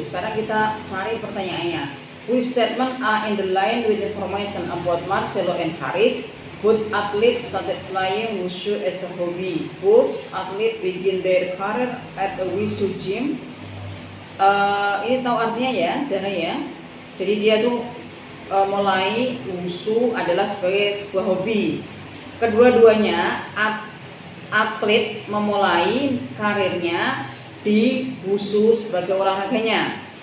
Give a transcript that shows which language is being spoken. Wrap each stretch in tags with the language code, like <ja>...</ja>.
<id>Sekarang kita cari pertanyaannya.</id> <en>Which statement are in the line with information about Marcelo and Harris? Both athletes started playing wushu as a hobby. Both athletes begin their career at a wushu gym.</en> <id>Ini tahu artinya ya, Jana ya. Jadi dia tuh mulai wushu adalah sebagai sebuah hobi. Kedua-duanya atlet memulai karirnya di wushu sebagai olahraganya.</id>